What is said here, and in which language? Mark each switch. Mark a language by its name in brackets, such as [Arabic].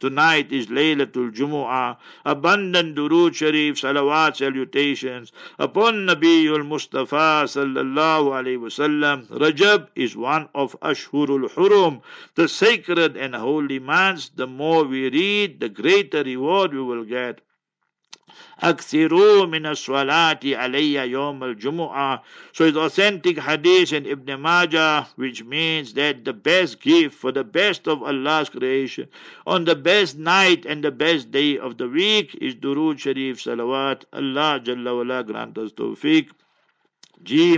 [English] Tonight is Laylatul Jumu'ah. Abundant Durood Sharif, salawat, salutations upon Nabiul Mustafa sallallahu alayhi wa sallam. Rajab is one of Ashhurul Hurum, the sacred and holy months. The more we read, the greater reward we will get. [Arabic] أكثروا من الصلاة علي يوم الجمعة. [English] So it's authentic hadith in Ibn Majah, which means that the best gift for the best of Allah's creation on the best night and the best day of the week is Durood Sharif Salawat. Allah Jalla Wala grant us tawfiq. G.